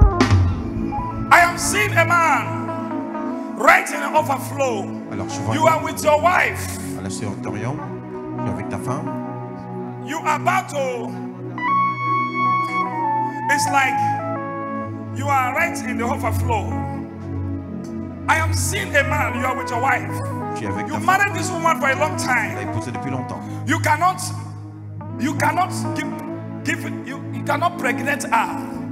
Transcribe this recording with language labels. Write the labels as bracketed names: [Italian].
[English] I am seeing a man right in the overflow. [French] Alors, [English] you are with your wife. [French] À la sœur Dorian, tu es avec ta femme. [English] You are about to. It's like you are right in the overflow. I am seeing a man. You are with your wife. You married this woman for a long time. You cannot pregnant her.